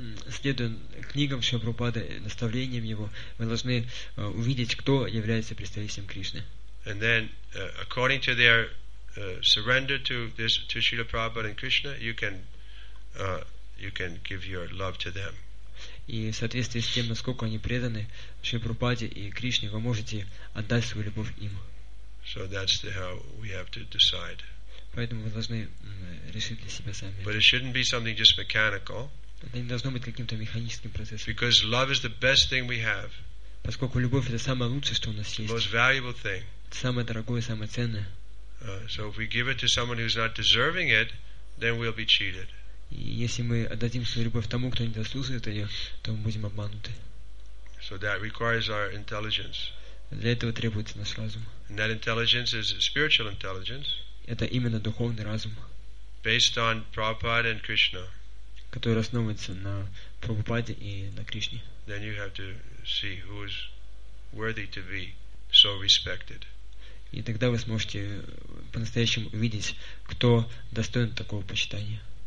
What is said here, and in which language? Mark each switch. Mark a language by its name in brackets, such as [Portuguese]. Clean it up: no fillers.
[Russian] Следуя книгам Шрила Прабхупады, наставлениям его, мы должны увидеть, кто является представителем Кришны. [English] And then, according to their surrender to Srila Prabhupada and Krishna, you can give your love to them. [Russian] И в соответствии с тем, насколько они преданы Шрила Прабхупаде и Кришне, вы можете отдать свою любовь им. [English] So that's how we have to decide. [Russian] Поэтому вы должны решить для себя сами. [English] But it shouldn't be something just mechanical. [Russian] Это не должно быть каким-то механическим процессом. [English] Because love is the best thing we have. [Russian] Поскольку любовь это самое лучшее, что у нас есть. [English] Most valuable thing. [Russian] Самое дорогое, самое ценное. [English] So if we give it to someone who's not deserving it, then we'll be cheated. [Russian] И если мы отдадим свою любовь тому, кто не заслуживает ее, то мы будем обмануты. [English] So that requires our intelligence. [Russian] Для этого требуется наш разум. [English] And that intelligence is spiritual intelligence. [Russian] Это именно духовный разум, [English] based on Prabhupada and Krishna, [Russian] который основывается на Прабхупаде и на Кришне. [English] Then you have to see who is worthy to be so respected. [Russian] И тогда вы сможете по-настоящему увидеть, кто достоин такого почитания.